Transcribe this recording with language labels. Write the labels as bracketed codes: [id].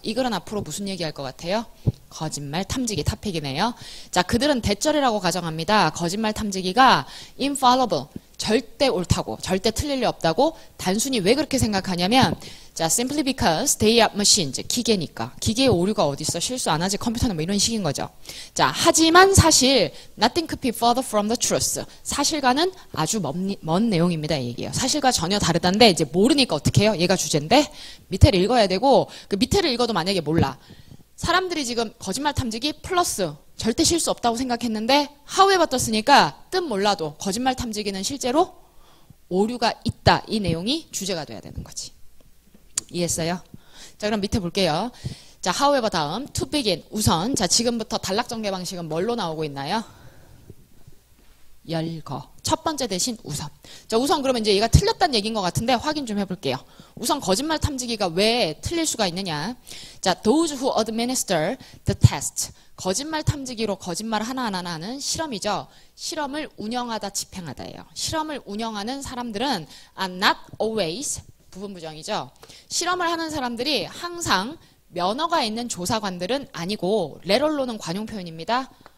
[ko] 이 글은 앞으로 무슨 얘기할 것 같아요? 거짓말 탐지기 탑픽이네요. 자, 그들은 대절이라고 가정합니다. 거짓말 탐지기가 infallible. 절대 옳다고, 절대 틀릴 리 없다고, 단순히 왜 그렇게 생각하냐면, 자, [en] simply because they are machines, [ko] 기계니까. 기계의 오류가 어딨어? 실수 안 하지? 컴퓨터는 뭐 이런 식인 거죠. [en] 자, 하지만 사실, nothing could be further from the truth. [ko] 사실과는 아주 먼 내용입니다, 얘기예요. 사실과 전혀 다르단데, 이제 모르니까 어떻게 해요? 얘가 주제인데, 밑에를 읽어야 되고, 그 밑에를 읽어도 만약에 몰라. 사람들이 지금 거짓말 탐지기 플러스, 절대 실수 없다고 생각했는데 however 떴으니까 뜻 몰라도 거짓말 탐지기는 실제로 오류가 있다. 이 내용이 주제가 돼야 되는 거지. 이해했어요? 자, 그럼 밑에 볼게요. 자, however 다음 to begin. 우선 자, 지금부터 단락 전개 방식은 뭘로 나오고 있나요? 열거. 첫 번째 대신 우선. 자, 우선 그러면 이제 얘가 틀렸다는 얘기인 것 같은데 확인 좀 해볼게요. 우선 거짓말 탐지기가 왜 틀릴 수가 있느냐. [en] 자, those who administer the test. [ko] 거짓말 탐지기로 거짓말 하나하나 하는 실험이죠. 실험을 운영하다, 집행하다예요. 실험을 운영하는 사람들은 [en] are not always, [ko] 부분 부정이죠. 실험을 하는 사람들이 항상 면허가 있는 조사관들은 아니고 [en] let alone [ko] 은 관용 표현입니다.